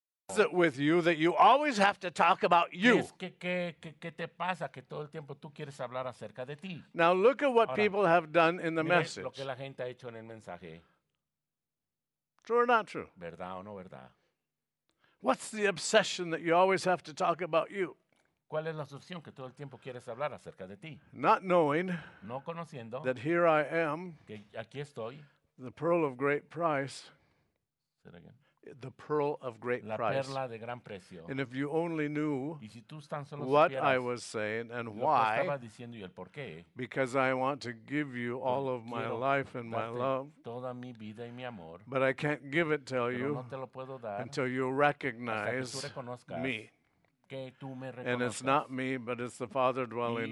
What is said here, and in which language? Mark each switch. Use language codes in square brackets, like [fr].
[en] is it with you that you always have to talk about you? [es] ¿Qué te pasa? Que todo el tiempo tú quieres hablar acerca de ti. [en] Now look at what ahora, people have done in the message. [es] Lo que la gente ha hecho en el mensaje. [en] True or not true? [es] ¿Verdad o no verdad? [en] What's the obsession that you always have to talk about you? [es] ¿Cuál es la obsesión que todo el tiempo quieres hablar acerca de ti? [en] Not knowing, [es] no conociendo, [en] that here I am, [es] que aquí estoy, [en] the pearl of great price. Say it again. The pearl of great [es] la [en] price. [es] Perla de gran precio. [en] And if you only knew [es] y si tú tan solo [en] what I was saying and why, [es] lo que estaba diciendo y el por qué, [en] because I want to give you all of my life and my love, [es] toda mi vida y mi amor, [en] but I can't give it, tell you, [es] no te lo puedo dar [en] until you recognize [es] hasta que tú reconozcas [en] me. [es] Que tú me reconozcas. [en] And it's not me, but it's the Father dwelling